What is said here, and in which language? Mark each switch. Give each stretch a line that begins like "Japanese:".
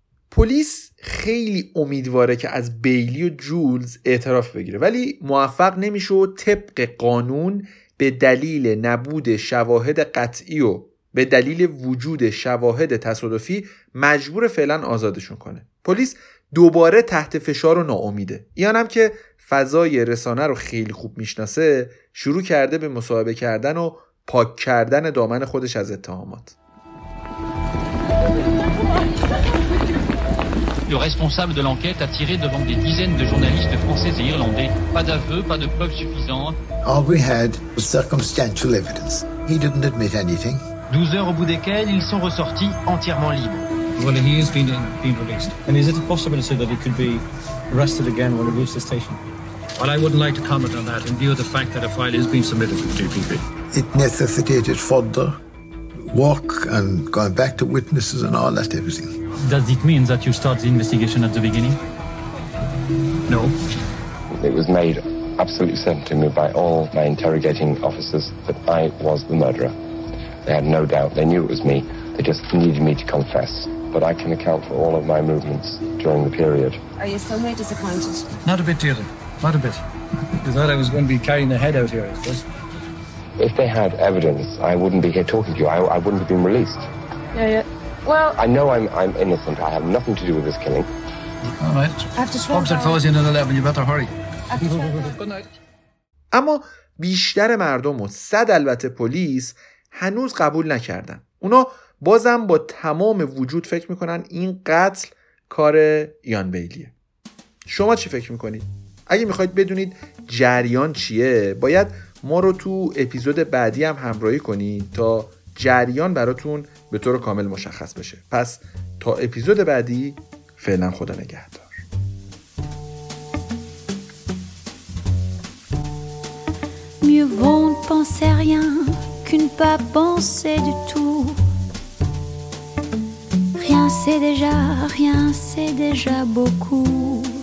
Persian: پلیس خیلی امیدواره که از بیلی و جولز اعتراف بگیره، ولی موفق نمیشه و طبق قانون به دلیل نبود شواهد قطعی و به دلیل وجود شواهد تصادفی مجبور فعلا آزادشون کنه. پلیس دوباره تحت فشار و ناامیده. ایان هم که فضای رسانه رو خیلی خوب میشناسه شروع کرده به مصاحبه کردن و پاک کردن دامن خودش از اتهامات.
French: Le responsable de l'enquête a tiré devant des dizaines de journalistes français et irlandais. Pas d'aveu, pas de preuves suffisantes.
English: All we had was circumstantial evidence. He didn't admit anything.
French: 12 heures au bout desquelles ils sont ressortis entièrement libres.
English: Well, he has been released. And is it a possibility that he could be arrested again when he leaves the station? Well, I wouldn't like to comment on that in view of the fact that a file has been submitted to the DPP. It necessitated further work and going back to witnesses and all that everything. Does it mean that you start the investigation at the beginning? No. It was made absolute certainty to me by all my interrogating officers that I was the murderer. They had no doubt. They knew it was me. They just needed me to confess. But I can account for all of my movements during the period. Are you somewhat disappointed? Not a bit, dear. Not a bit. You thought I was going to be carrying the head out here, I suppose. If they had evidence, I wouldn't be here talking to you. I wouldn't have been released. Yeah, yeah. Well, I know I'm innocent. I have nothing to do with this killing. All right. I have to swap. Officer Fawzi in another 11. You better hurry.
Persian: اما بیشتر مردم و صد البته پلیس هنوز قبول نکردن. اونا بازم با تمام وجود فکر میکنن این قتل کار یان بیلیه. شما چی فکر میکنید؟ اگه میخواید بدونید جریان چیه، باید ما رو تو اپیزود بعدی هم همراهی کنید تا جریان براتون به طور کامل مشخص بشه. پس تا اپیزود بعدی فعلا خدا نگهدار.
French: Mieux vaut ne penser à rien que ne pas penser du tout. Rien c'est déjà beaucoup.